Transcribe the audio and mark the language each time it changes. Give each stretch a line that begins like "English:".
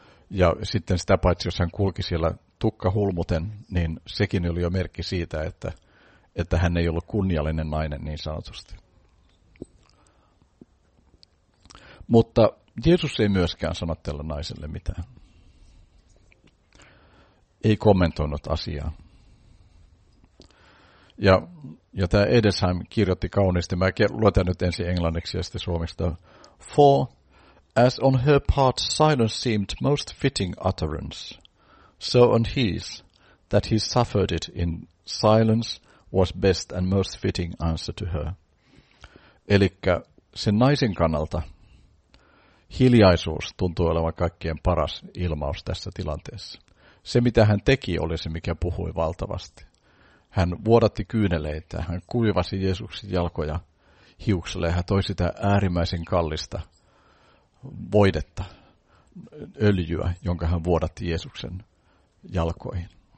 Finnish: Ja sitten sitä paitsi, jos hän kulki siellä tukkahulmuten, niin sekin oli jo merkki siitä, että hän ei ollut kunniallinen nainen niin sanotusti. Mutta Jeesus ei myöskään sano tälle naiselle mitään. Ei kommentoinut asiaa. Ja tämä Edesheim kirjoitti kauniisti, mä luetan nyt ensin englanniksi ja sitten suomeksi.
English: For, as on her part silence seemed most fitting utterance, so on his, that he suffered it in silence, was best and most fitting answer to her.
Finnish: Elikkä sen naisen kannalta hiljaisuus tuntuu olevan kaikkien paras ilmaus tässä tilanteessa. Se mitä hän teki oli se, mikä puhui valtavasti. Hän vuodatti kyyneleitä, hän kuivasi Jeesuksen jalkoja hiukselle ja hän toi sitä äärimmäisen kallista voidetta, öljyä, jonka hän vuodatti Jeesuksen jalkoihin.